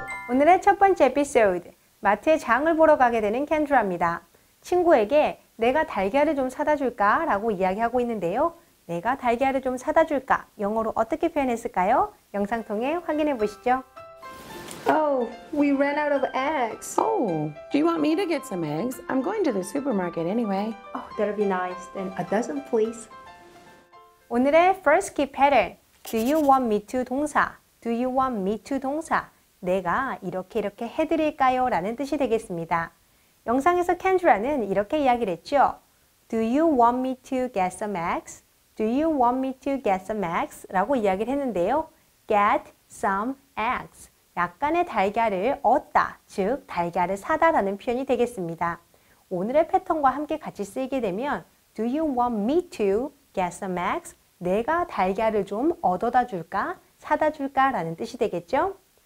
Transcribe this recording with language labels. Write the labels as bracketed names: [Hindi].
[Korean] 오늘의 첫 번째 에피소드, 마트에 장을 보러 가게 되는 켄드라입니다. 친구에게 내가 달걀을 좀 사다 줄까? 라고 이야기하고 있는데요. 내가 달걀을 좀 사다 줄까? 영어로 어떻게 표현했을까요? 영상 통해 확인해 보시죠. [English] Oh, we ran out of eggs. Oh, do you want me to get some eggs? I'm going to the supermarket anyway. Oh, that'll be nice. Then a dozen, please. [Korean] 오늘의 [English] first key pattern. Do you want me to 동사? Do you want me to 동사? [Korean] 내가 이렇게 이렇게 해드릴까요? 라는 뜻이 되겠습니다. 영상에서 켄드라는 이렇게 이야기를 했죠. [English] Do you want me to get some eggs? Do you want me to get some eggs? [Korean] 라고 이야기를 했는데요. [English] Get some eggs. [Korean] 약간의 달걀을 얻다, 즉 달걀을 사다 라는 표현이 되겠습니다. 오늘의 패턴과 함께 같이 쓰이게 되면 [English] Do you want me to get some eggs? [Korean] 내가 달걀을 좀 얻어다 줄까, 사다 줄까 라는 뜻이 되겠죠.